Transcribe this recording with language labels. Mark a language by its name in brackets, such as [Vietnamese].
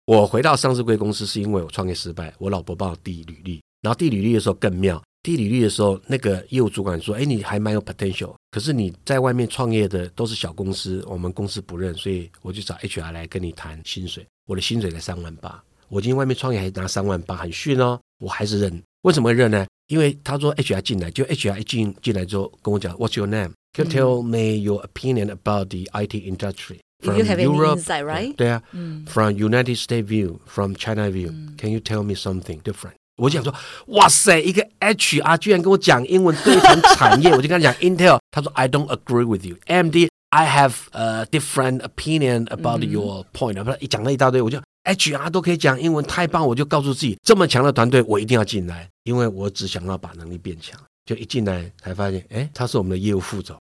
[Chinese] 我回到上市柜公司是因为我创业失败，我老婆帮我递履历，然后递履历的时候更妙，递履历的时候那个业务主管说，哎，你还蛮有 potential， 可是你在外面创业的都是小公司，我们公司不认，所以我就找 HR 来跟你谈薪水，我的薪水才3万8，我今天外面创业还拿3万8，很逊哦，我还是认。为什么会认呢？因为他说 HR 进来，就 HR 进来之后跟我讲 [English] What's your name? Can you tell me your opinion about the IT industry from Europe, insight, right? [Chinese] 对啊、 [English] from United States view, from China view, can you tell me something different? [Chinese] 我就想说哇塞，一个 HR 居然跟我讲英文对谈产业我就跟他讲 Intel， 他说 [English] I don't agree with you AMD I have a different opinion about your point、 [Chinese] 一讲了一大堆，我就 HR 都可以讲英文太棒，我就告诉自己这么强的团队我一定要进来，因为我只想要把能力变强，就一进来才发现诶，他是我们的业务副总，